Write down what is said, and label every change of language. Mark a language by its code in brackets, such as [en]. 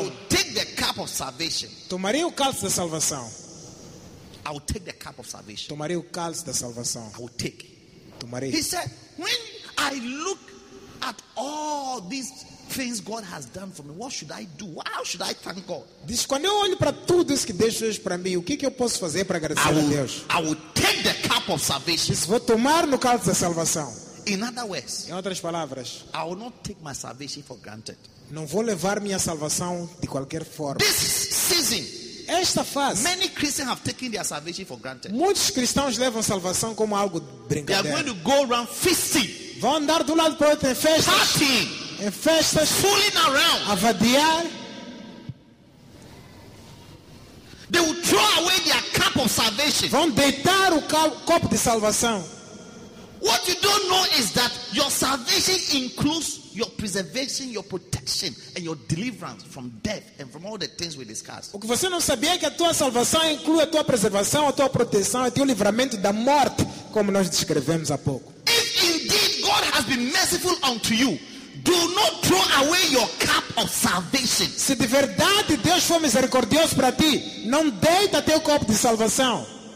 [en] I will take the cup of salvation. [pt] Tomarei o cálice da salvação. [en] I will take the cup of salvation. [pt] Tomarei o cálice da salvação. [en] I will take. [pt] Tomarei. [en] He said, "When I look at all these things God has done for me, what should I do? How should I thank God?" [pt] Diz, quando eu olho para tudo isso que Deus fez para mim, o que eu posso fazer para agradecer a Deus? [en] I will take the cup of salvation. [pt] Vou tomar no cálice da salvação. [en] In other words, [pt] em outras palavras, [en] I will not take my salvation for granted. [pt] Não vou levar minha salvação de qualquer forma. [en] This season, [pt] esta fase, [en] many Christians have taken their salvation for granted. [pt] Muitos cristãos levam salvação como algo de brincadeira. [en] They are going to go around feasting. [pt] Vão andar do lado para o outro em festas. [en] Partying. [pt] Em festas. [en] Fooling around. [pt] Avadiar. [en] They will throw away their cup of salvation. [pt] Vão deitar o copo de salvação. [en] What you don't know is that your salvation includes your preservation, your protection, and your deliverance from death and from all the things we discussed. [pt] O que você não sabia é que a tua salvação inclui a tua preservação, a tua proteção e o teu livramento da morte, como nós descrevemos há pouco. [en] If indeed God has been merciful unto you, Do not throw away your cup of salvation. [pt] Se de verdade Deus for misericordioso para ti, não deita teu copo de salvação.